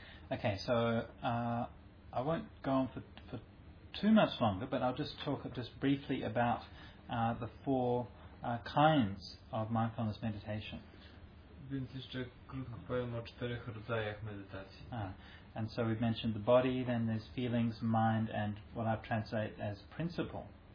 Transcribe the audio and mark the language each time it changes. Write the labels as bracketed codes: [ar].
[en] Okay, so I won't go on for too much longer, but I'll just talk just briefly about the four kinds of mindfulness meditation. [pl] Więc jeszcze krótko powiem o czterech rodzajach medytacji. [en] And so we've mentioned the body, then there's feelings, mind, and what I translate as principles.